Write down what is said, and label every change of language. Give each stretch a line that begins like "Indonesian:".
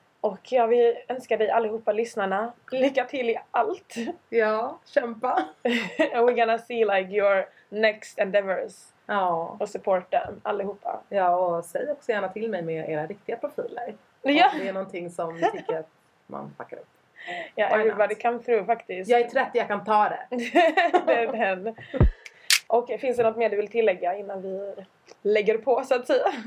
Swedish: Och jag vill önska dig allihopa lyssnarna lycka till i allt. Ja, kämpa.
English: And we're gonna see like your next endeavors.
Swedish: Ja. Och support dem allihopa. Ja, och säg också gärna till mig med era riktiga profiler. Ja. Om det är någonting som tycker att man fuckar upp.
English: Ja, yeah, everybody come through faktiskt.
Swedish: Jag är 30, jag kan ta det. Det är den. Och finns det något mer du vill tillägga innan vi lägger på så att säga?